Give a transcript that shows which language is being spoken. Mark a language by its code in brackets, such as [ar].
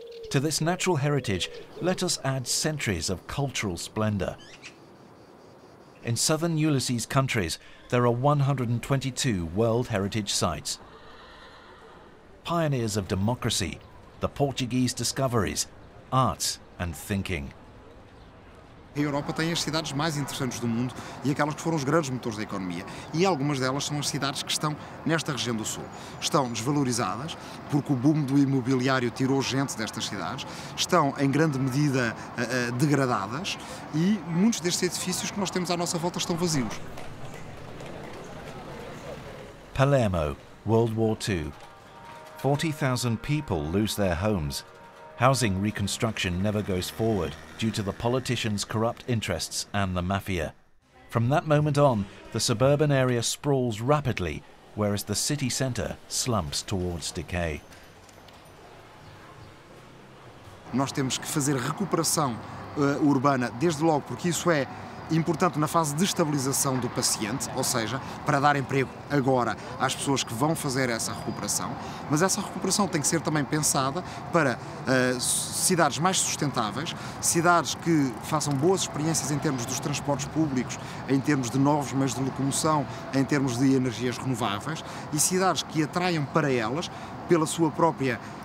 [en] To this natural heritage, let us add centuries of cultural splendor. In southern Ulysses countries, there are 122 World Heritage Sites. Pioneers of democracy, the Portuguese discoveries, arts and thinking. [pt] A Europa tem as cidades mais interessantes do mundo e aquelas que foram os grandes motores da economia. E algumas delas são as cidades que estão nesta região do sul. Estão desvalorizadas, porque o boom do imobiliário tirou gente destas cidades. Estão, em grande medida, degradadas. E muitos destes edifícios que nós temos à nossa volta estão vazios. [en] Palermo, World War II. 40,000 people lose their homes. Housing reconstruction never goes forward due to the politicians' corrupt interests and the mafia. From that moment on, the suburban area sprawls rapidly, whereas the city centre slumps towards decay. [pt] Nós temos que fazer recuperação urbana desde logo, porque isso é importante na fase de estabilização do paciente, ou seja, para dar emprego agora às pessoas que vão fazer essa recuperação, mas essa recuperação tem que ser também pensada para cidades mais sustentáveis, cidades que façam boas experiências em termos dos transportes públicos, em termos de novos meios de locomoção, em termos de energias renováveis, e cidades que atraiam para elas, pela sua própria